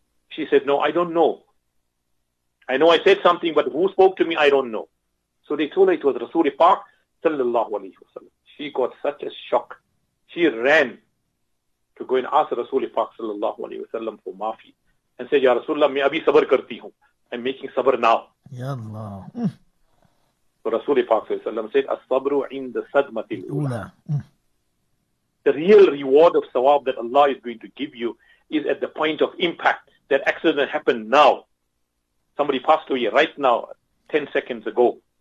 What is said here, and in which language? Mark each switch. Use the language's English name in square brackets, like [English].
[English] She said, no, I don't know. I know I said something, but who spoke to me, I don't know. So they told her it was Rasulullah sallallahu alayhi wa sallam. She got such a shock. She ran to go and ask Rasulullah sallallahu alayhi wa sallam for maafi. And said, [Urdu] یا رسول اللہ، میں ابھی صبر کرتی ہوں۔ [English] I'm making sabr now. Ya Allah. So Rasulullah said, [Arabic] as-sabru inda sadmatil ula. [English] The real reward of sawab that Allah is going to give you is at the point of impact. That accident happened now. Somebody passed away right now, 10 seconds ago.